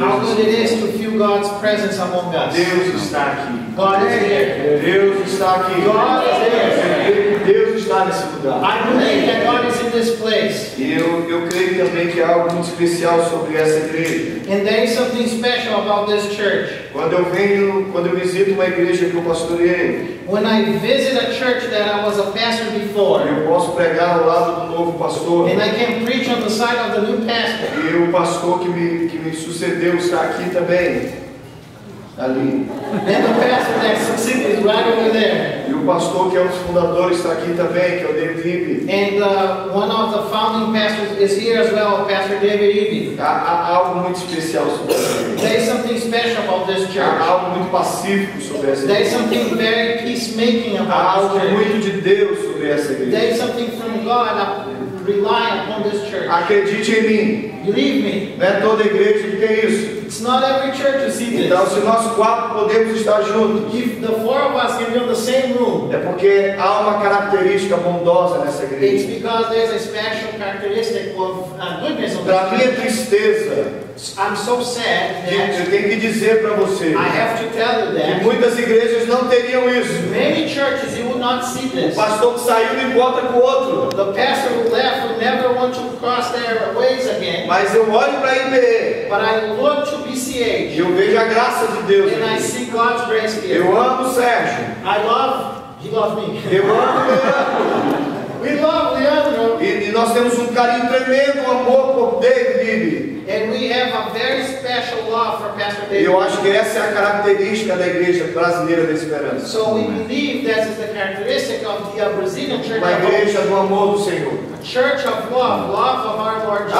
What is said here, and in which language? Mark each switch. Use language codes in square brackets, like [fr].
[en] How good it is to feel God's presence among us. [pt] Deus está aqui. [en] God is here. [pt] Deus está aqui. [en] God is here. [pt] Deus está nesse lugar. [en] I believe that God is in this place. [pt] E eu creio também que há algo muito especial sobre essa igreja. [en] And there is something special about this church. [pt] Quando eu visito uma igreja que eu pastoreei. [en] When I visit a church that I was a pastor before. [pt] Eu posso pregar ao lado do novo pastor. [en] And I can preach on the side of the new pastor. [pt] E o pastor que me sucedeu está aqui também. Ali. [en] And the pastor that succeeded is right over there. [pt] E o pastor que é um dos fundadores está aqui também, que é o David Eby. [en] And one of the founding pastors is here as well, Pastor David Eby. [pt] Há algo muito especial sobre essa igreja. [en] There is something special about this church. [pt] Há algo muito pacífico sobre essa igreja. [en] There is something very peacemaking about this church. [pt] Há algo muito de Deus sobre essa igreja. [en] There is something from God. Rely upon this church. [pt] Acredite em mim. [en] Believe me. [pt] Não é toda igreja que tem isso. [en] It's not every church you see this. [pt] Então, se nós quatro podemos estar juntos, [en] if the four of us can be in the same room, [pt] é porque há uma característica bondosa nessa igreja. [en] It's because there's a special characteristic of goodness of [pt] this. Para minha tristeza, [en] I'm so sad that [pt] eu tenho que dizer para você, [en] I have to tell you that, [pt] que muitas igrejas não teriam isso. [en] Many churches you will not see this. [pt] O pastor que saiu não encontra com o outro. [en] The pastor who left will never want to cross their ways again. [pt] Mas eu olho para a IBE. [en] But I look to BCH. [pt] E eu vejo a graça de Deus. [en] And I see God's grace here. [pt] Eu amo o Sérgio. [en] I love, he loves me. [pt] Eu amo o Leandro. [en] We love Leandro. [pt] E nós temos um carinho tremendo, um amor por David Eby. [en] And we have a very special love for Pastor David. [pt] Eu acho que essa é a característica da Igreja Brasileira da Esperança. [en] So we believe that is the characteristic of the Brazilian Church. [pt] A Igreja do Amor do Senhor. [en] A Church of Love, love of our Lord Jesus.